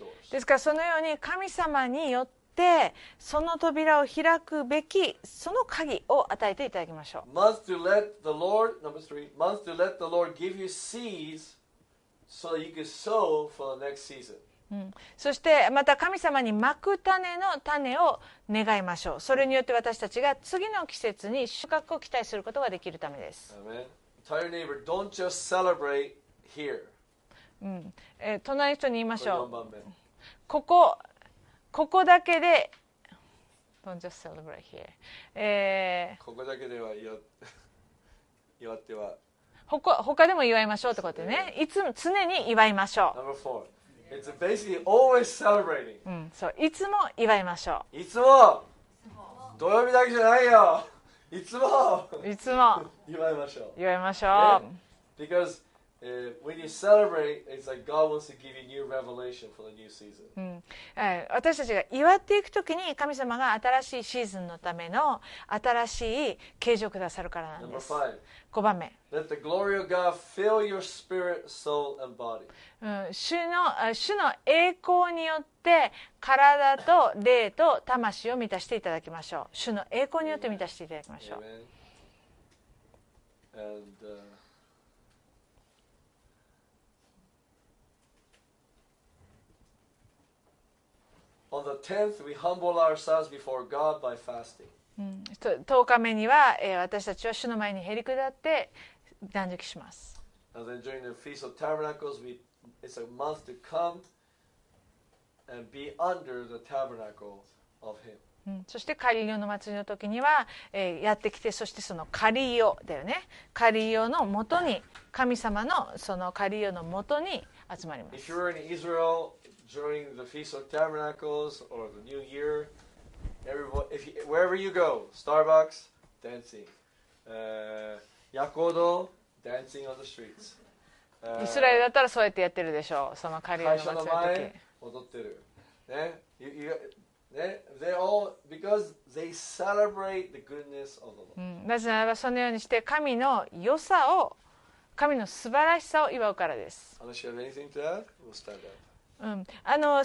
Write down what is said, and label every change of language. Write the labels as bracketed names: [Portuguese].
[Japanese] ですからそのように神様によってその扉を開くべきその鍵を与えていただきましょう。 [English] Must to let the Lord, number three, must to let the Lord give you seeds so you can sow for the next season. [Japanese] そしてまた神様に蒔く種の種を願いましょう。それによって私たちが次の季節に収穫を期待することができるためです。 [English] Amen. Tell your neighbor, don't just celebrate here. [Japanese] 隣の人に言いましょう。ここだけで、 [English] Don't just celebrate here. [Japanese] ここだけでは祝っては。他でも祝いましょうってことね。いつも常に祝いましょう。 [English] Number four. It's basically always celebrating. [Japanese] そう、いつも祝いましょう。いつも。土曜日だけじゃないよ。いつも。いつも。祝いましょう。祝いましょう。 [English] Because. When you celebrate, it's like God wants to give you new revelation for the new season. [Japanese] 私たちが祝っていくときに神様が新しいシーズンのための新しい啓示をくださるからなんです。 5番目。 [English] Let the glory of God fill your spirit, soul, and body. [Japanese] 主の栄光によって体と霊と魂を満たしていただきましょう。主の栄光によって満たしていただきましょう。 [English] Amen. And,On the tenth, we humble ourselves before God by fasting. [Japanese] 10日目には、私たちは主の前にへり下って断食します。 [English] And then during the Feast of Tabernacles, it's a month to come and be under the tabernacle of Him. [Japanese] そして仮用の祭りの時には、やってきて、そしてその仮用だよね。仮用のもとに、神様のその仮用のもとに集まります。 [English] If you were in Israel,During the Feast of Tabernacles or the New Year, wherever you go, Starbucks, dancing, Yakodo, dancing on the streets. [Japanese] イスラエルだったらそうやってやってるでしょう。その仮用の祭りの時。会社の前踊ってる。 [English] ね、they all because they celebrate the goodness of the Lord. [Japanese] なぜならばそのようにして神の良さを、神の素晴らしさを祝うからです。 [English] Unless you have anything to add, we'll stand up.